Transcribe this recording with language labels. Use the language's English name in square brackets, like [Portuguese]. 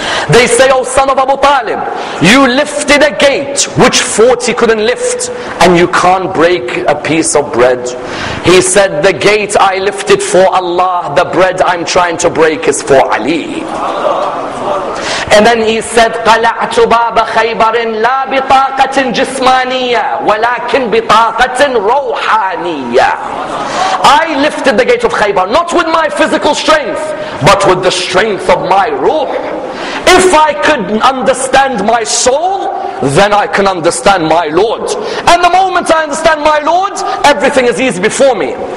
[English] They say, "Oh, son of Abu Talib, you lifted a gate which 40 couldn't lift, and you can't break a piece of bread." He said, "The gate I lifted for Allah, the bread I'm trying to break is for Ali." And then he said, [Arabic] "قلعت باب خيبر لا بطاقة جسمانية ولكن بطاقة روحانية." [English] I lifted the gate of Khaybar, not with my physical strength, but with the strength of my ruh. If I could understand my soul, then I can understand my Lord. And the moment I understand my Lord, everything is easy before me.